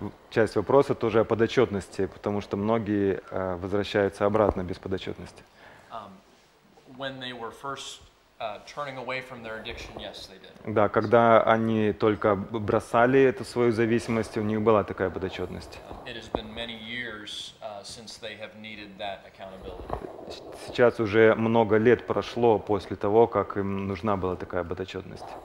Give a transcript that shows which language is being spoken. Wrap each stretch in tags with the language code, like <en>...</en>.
<ru>Часть вопроса тоже о подотчетности, потому что многие возвращаются обратно без подотчетности.</ru> <en>When they were first turning away from their addiction, yes, they did.</en> <ru>Да, когда они только бросали эту свою зависимость, у них была такая подотчетность.</ru> <en>It has been many years since they have needed that accountability.</en> <ru>Сейчас уже много лет прошло после того, как им нужна была такая подотчетность.</ru>